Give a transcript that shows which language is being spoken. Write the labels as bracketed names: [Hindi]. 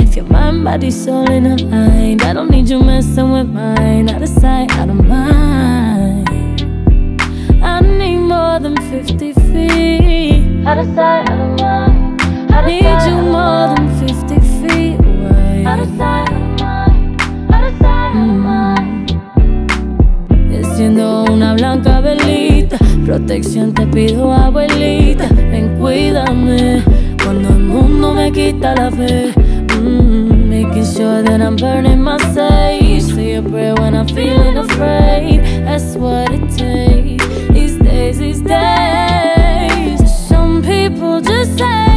[English] If your mind, body, soul in a line, I don't need you messing with mine. Out of sight, out of mind. I need more than 50 feet. Out of sight, out of mind. I need you more than 50 feet away. Out of sight of mine. Out of sight of mine. [Spanish] Yo siendo una blanca velita. Protección te pido, abuelita. Ven, cuídame. Cuando el mundo me quita la fe. [English] Making sure that I'm burning my sage. Say a prayer when I'm feeling afraid. That's what it takes. These days, these days. Some people just say.